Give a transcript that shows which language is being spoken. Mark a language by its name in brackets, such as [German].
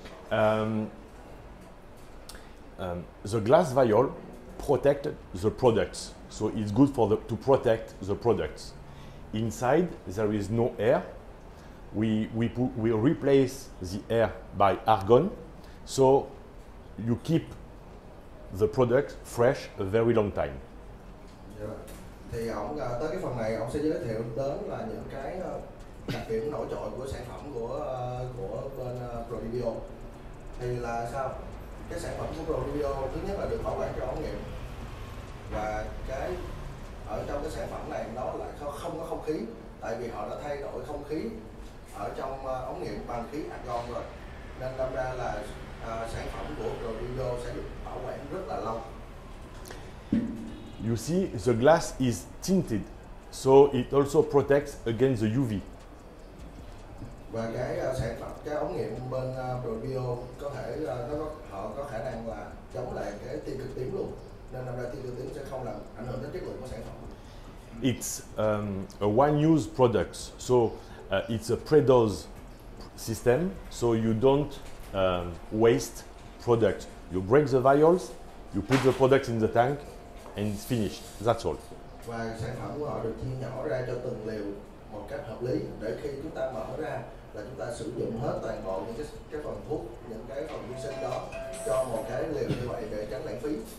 [English] The glass vial protect the products, so it's good for the to protect the products. Inside there is no air. We replace the air by argon, so you keep the product fresh a very long time. [Vietnamese] Thì ông tới cái phần này ông sẽ giới thiệu đến là những cái đặc điểm nổi trội của sản phẩm của bên Prodivio. Thì là sao? Cái sản phẩm của Prodivio thứ nhất là được bảo quản cho ống nghiệm, và cái ở trong cái sản phẩm này nó là không có không khí, tại vì họ đã thay đổi không khí ở trong ống nghiệm bằng khí argon rồi, nên đâm ra là sản phẩm của Prodivio sẽ được bảo quản rất là lâu. [English] You see, the glass is tinted, so it also protects against the UV. [Vietnamese] Và cái sản phẩm, cái ống nghiệm bên Prodivio có thể họ có khả năng là chống lại cái tia cực tím luôn, nên làm ra tia cực tím sẽ không làm ảnh hưởng đến chất lượng của sản phẩm. [English] It's a one-use product, so it's a pre-dose system, so you don't waste product. You break the vials, you put the product in the tank, and it's finished. That's all. [Vietnamese] Và sản phẩm của họ được chia nhỏ ra cho từng liều một cách hợp lý, để khi chúng ta mở ra là chúng ta sử dụng hết toàn bộ những cái phần thuốc, những cái phần vi sinh đó cho một cái liều như vậy để tránh lãng phí.